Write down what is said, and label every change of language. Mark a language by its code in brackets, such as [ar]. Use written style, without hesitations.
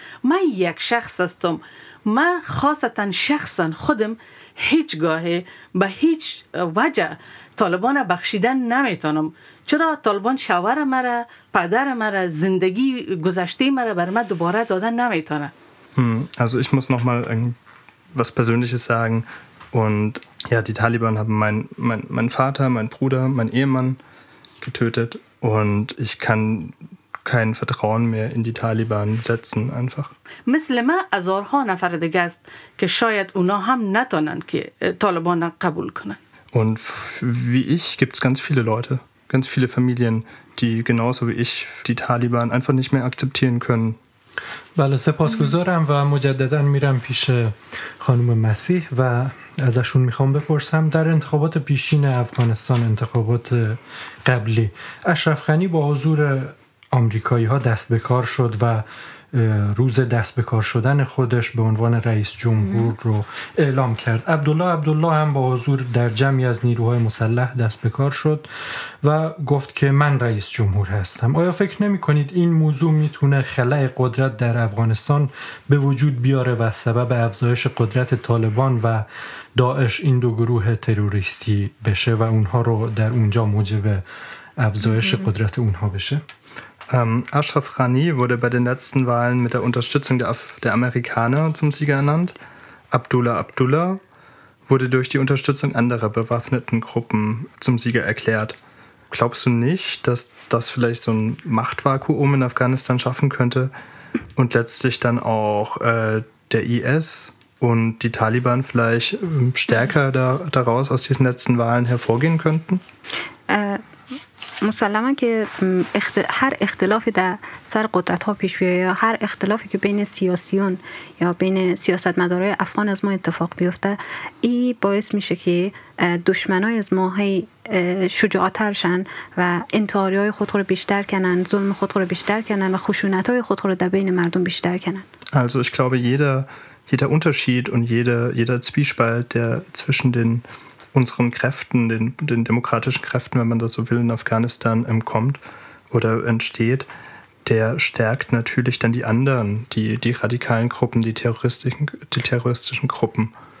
[fa] من یک شخص استم، من خاصتا شخصا خودم هیچگاه به هیچ وجه طالبان بخشیدن نمیتونم. چرا طالبان شوهر مرا، پدر مرا، زندگی گذشته مرا بر من دوباره دادن نمیتونه. [de] Also ich muss noch mal was Persönliches sagen. Und ja, die Taliban haben mein Vater, mein Bruder, mein Ehemann getötet. Und ich kann kein Vertrauen mehr in die Taliban setzen, einfach. Muslime, also Horner, Vater der Gast, gescheuert und haben nicht an die Taliban Kabul können. Und wie ich gibt es ganz viele Leute, ganz viele Familien, die genauso wie ich die Taliban einfach nicht mehr akzeptieren können. [fa] بله سپاسگزارم و مجدداً میرم پیش خانم مسیح و ازشون میخوام بپرسم در انتخابات پیشین افغانستان، انتخابات قبلی، اشرف غنی با حضور آمریکایی ها دست به کار شد و روز دست به کار شدن خودش به عنوان رئیس جمهور رو اعلام کرد. عبدالله هم با حضور در جمعی از نیروهای مسلح دست به کار شد و گفت که من رئیس جمهور هستم. آیا فکر نمی کنید این موضوع میتونه خلأ قدرت در افغانستان به وجود بیاره و سبب افزایش قدرت طالبان و داعش، این دو گروه تروریستی بشه و اونها رو در اونجا موجب افزایش قدرت اونها بشه؟ [de] Ashraf Ghani wurde bei den letzten Wahlen mit der Unterstützung der Amerikaner zum Sieger ernannt. Abdullah wurde durch die Unterstützung anderer bewaffneten Gruppen zum Sieger erklärt. Glaubst du nicht, dass das vielleicht so ein Machtvakuum in Afghanistan schaffen könnte und letztlich dann auch der IS und die Taliban vielleicht stärker daraus aus diesen letzten Wahlen hervorgehen könnten? [fa] مسلما که هر اختلافی در سر قدرت ها پیش بیاید یا هر اختلافی که بین سیاسیون یا بین سیاستمدارای افغان از ما اتفاق بیفته، این باعث میشه که دشمنای از ما هی شجاعتر شن و انتحاری های خود رو بیشتر کنن، ظلم خود رو بیشتر کنن و خشونت های خود رو در بین مردم بیشتر کنن. [de] Also ich glaube jeder Unterschied und jeder Zwiespalt der zwischen den unseren Kräften, den demokratischen Kräften, wenn man das so will, in Afghanistan kommt oder entsteht, der stärkt natürlich dann die anderen, die radikalen Gruppen, die terroristischen Gruppen.